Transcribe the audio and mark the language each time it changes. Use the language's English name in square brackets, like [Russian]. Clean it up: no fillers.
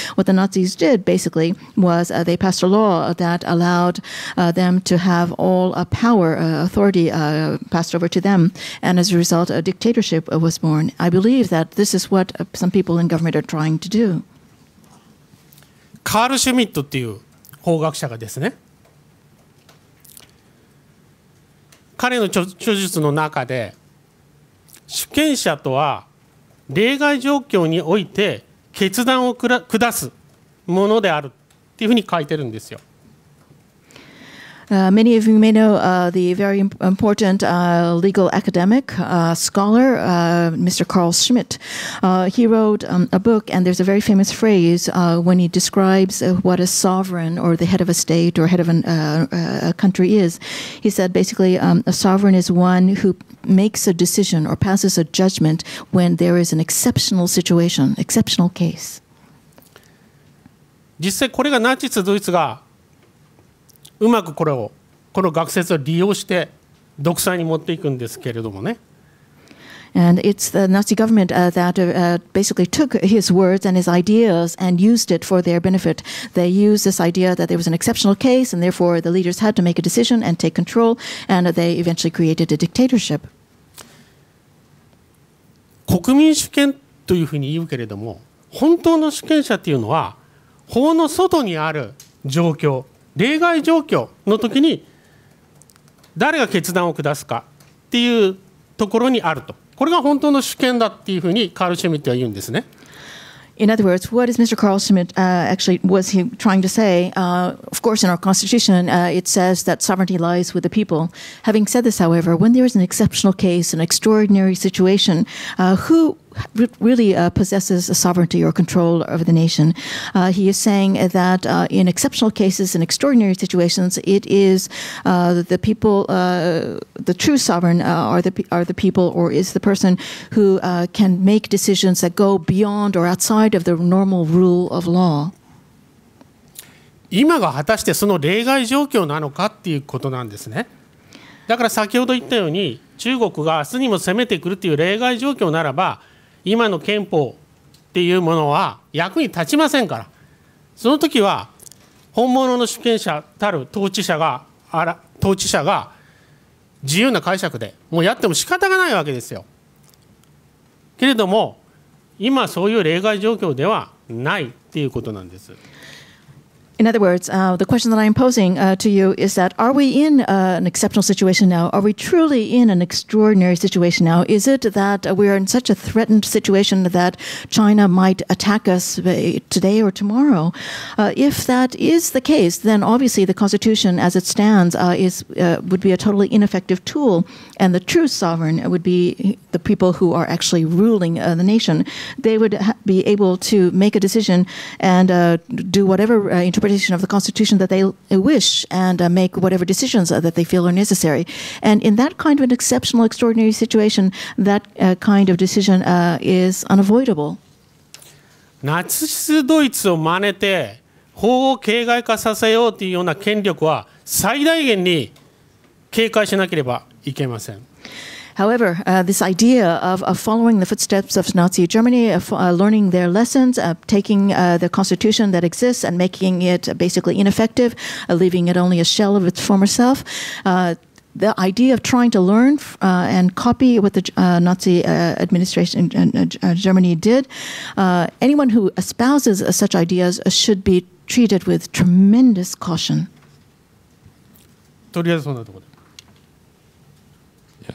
[English] What the Nazis did, basically, was they passed a law that allowed them to have all power, authority passed over to them. And as a result, a dictatorship was born. I believe that this is what some people in government are trying to do. [Japanese] カール・シュミットっていう法学者がですね、彼の著述の中で、主権者とは例外状況において決断を下すものであるっていうふうに書いてるんですよ。 [English] Many of you may know the very important legal academic scholar, Mr. Carl Schmitt. He wrote a book, and there's a very famous phrase when he describes what a sovereign or the head of a state or head of a country is. He said basically a sovereign is one who makes a decision or passes a judgment when there is an exceptional situation, exceptional case. [Japanese] 実際これがナチスドイツがうまくこれをこの学説を利用して独裁に持っていくんですけれどもね。 [English] And it's the Nazi government that basically took his words and his ideas and used it for their benefit. They used this idea that there was an exceptional case and therefore the leaders had to make a decision and take control and they eventually created a dictatorship. [Japanese] 国民主権というふうに言うけれども、本当の主権者というのは法の外にある状況。例外状況の時に誰が決断を下すかっていうところにあると、これが本当の主権だっていうふうにカール・シュミットは言うんですね。 [English] In other words, what is Mr. Carl Schmitt actually was he trying to say? Of course, in our constitution, it says that sovereignty lies with the people. Having said this, however, when there is an exceptional case, an extraordinary situation, who really possesses a sovereignty or control over the nation. He is saying that in exceptional cases and extraordinary situations, it is the people, the true sovereign are the people or is the person who can make decisions that go beyond or outside of the normal rule of law. [Japanese] 今が果たしてその例外状況なのかっていうことなんですね。だから先ほど言ったように中国が明日にも攻めてくるっていう例外状況ならば今の憲法っていうものは役に立ちませんから、その時は本物の主権者たる統治者が、統治者が自由な解釈でもうやっても仕方がないわけですよ。けれども今そういう例外状況ではないっていうことなんです。 [English] In other words, the question that I am posing to you is that are we in an exceptional situation now? Are we truly in an extraordinary situation now? Is it that we are in such a threatened situation that China might attack us today or tomorrow? If that is the case, then obviously the Constitution as it stands would be a totally ineffective tool, and the true sovereign would be the people who are actually ruling the nation. They would be able to make a decision and do whatever interpretation of the Constitution that they wish and make whatever decisions that they feel are necessary. And in that kind of an exceptional, extraordinary situation, that kind of decision is unavoidable. [Japanese] ナチスドイツを真似て法を形骸化させようというような権力は最大限に警戒しなければいけません。 [English] However, this idea of following the footsteps of Nazi Germany, of learning their lessons, of taking the constitution that exists and making it basically ineffective, leaving it only a shell of its former self, the idea of trying to learn and copy what the Nazi administration in Germany did, anyone who espouses such ideas should be treated with tremendous caution. [Japanese] とりあえずそんなところで。